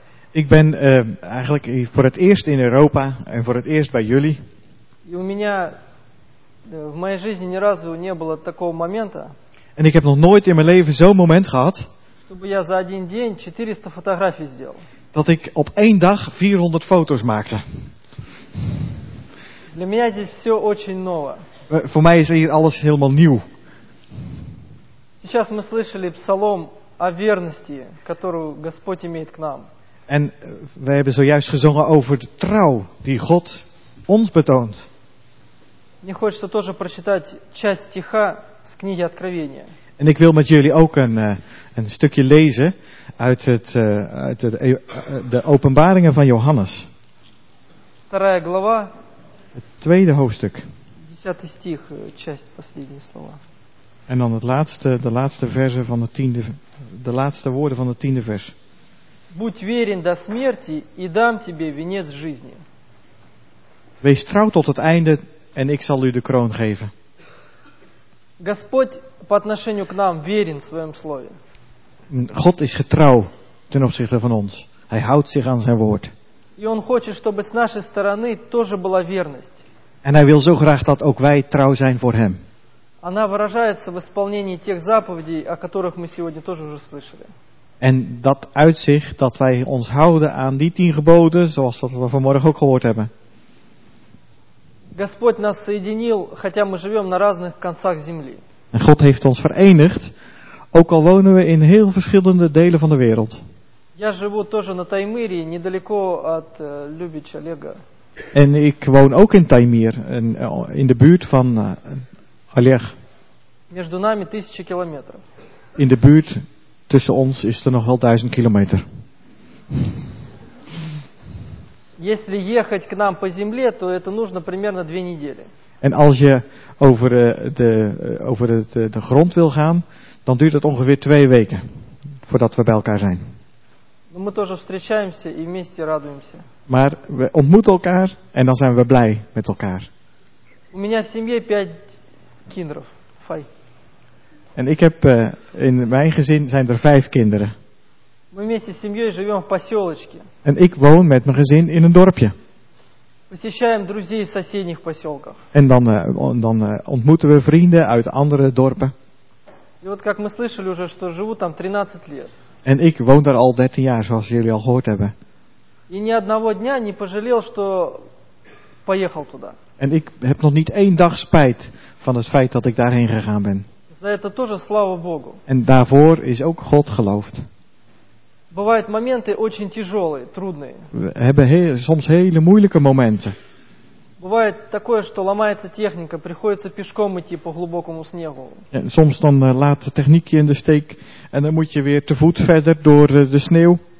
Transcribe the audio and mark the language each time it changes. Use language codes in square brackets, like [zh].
[nl] Ik ben eigenlijk voor het eerst in Europa en voor het eerst bij jullie. [ru] В моей жизни ни разу не было такого момента. [nl] En ik heb nog nooit in mijn leven zo'n moment gehad. [ru] Чтобы я за один день 400 фотографий сделал. [nl] Dat ik op één dag 400 foto's maakte. [ru] Для меня здесь все очень ново. [nl] Voor mij is hier alles helemaal nieuw. [ru] Сейчас мы слышали псалом о верности, которую Господь имеет к нам. [nl] En we hebben zojuist gezongen over de trouw die God ons betoont. [ru] Мне хочется тоже прочитать часть стиха с книги Откровения. [nl] En ik wil met jullie ook een stukje lezen uit het de Openbaringen van Johannes. [ru] Вторая глава. [nl] Het tweede hoofdstuk. [ru] Десятый стих, часть последние слова. [nl] En dan het laatste, de laatste verse van het tiende, de laatste woorden van het tiende vers. [ru] Будь верен до смерти, и дам тебе венец жизни. [nl] Wees trouw tot het einde. En ik zal u de kroon geven. [ru] Господь по отношению к нам верен в своем слове. [nl] God is getrouw ten opzichte van ons. Hij houdt zich aan zijn woord. [ru] И он хочет, чтобы с нашей стороны тоже была верность. [nl] En hij wil zo graag dat ook wij trouw zijn voor hem. [ru] Она выражается в исполнении тех заповедей, о которых мы сегодня тоже уже слышали. [nl] En dat uitzicht dat wij ons houden aan die 10 geboden, zoals dat we vanmorgen ook gehoord hebben. [ru] Господь нас соединил, хотя мы живем на разных концах земли. [nl] En God heeft ons verenigd, ook al wonen we in heel verschillende delen van de wereld. [ru] Я живу тоже на Таймыре, недалеко от Любича, Олега. [nl] En ik woon ook in Таймыр, in de buurt van Олег. [ru] Между нами тысячи километров. [nl] In de buurt tussen ons is er nog wel 1000 kilometer. [ru] Если ехать к нам по земле, то это нужно примерно 2 недели. [nl] En als je over de grond wil gaan, dan duurt het ongeveer 2 weken voordat we bij elkaar zijn. [ru] Но мы тоже встречаемся и вместе радуемся. [nl] Maar we ontmoeten elkaar en dan zijn we blij met elkaar. [ru] У меня в семье 5 [nl] kinderen. En ik heb in mijn gezin zijn er 5 kinderen. [ru] Мы вместе с семьей живем в поселочке. [nl] En ik woon met mijn gezin in een dorpje. [ru] Посещаем друзей в соседних поселках. [nl] En dan ontmoeten we vrienden uit andere dorpen. [ru] И вот как мы слышали уже, что живу там 13 лет. [nl] En ik woon daar al 13 jaar, zoals jullie al gehoord hebben. [ru] И ни одного дня не пожалел, что поехал туда. [nl] En ik heb nog niet één dag spijt van het feit dat ik daarheen gegaan ben. [ru] За это тоже слава Богу. [nl] En daarvoor is ook God geloofd. [ru] Бывают моменты очень тяжелые, трудные. [nl] We hebben soms hele moeilijke momenten. [ru] Бывает такое, что ломается техника, приходится пешком идти по глубокому снегу. [nl] En soms dan laat de techniek je in de steek en dan moet je weer te voet verder door de sneeuw.